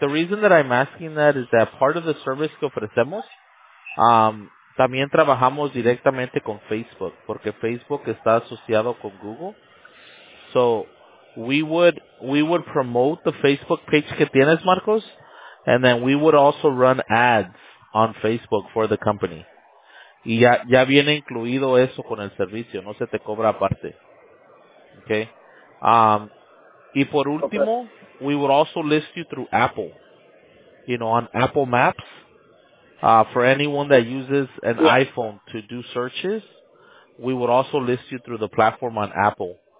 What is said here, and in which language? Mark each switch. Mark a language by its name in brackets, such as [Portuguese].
[English] The reason that I'm asking that is that part of the service [Spanish] que ofrecemos, también trabajamos directamente con Facebook porque Facebook está asociado con Google. [English] So we would promote the Facebook page [Spanish] que tienes, [English] Marcos, and then we would also run ads on Facebook for the company. [Spanish] Y ya viene incluido eso con el servicio. No se te cobra aparte. Okay. Y por último, [English] okay, we would also list you through Apple, you know, on Apple Maps, for anyone that uses an iPhone to do searches. We would also list you through the platform on Apple.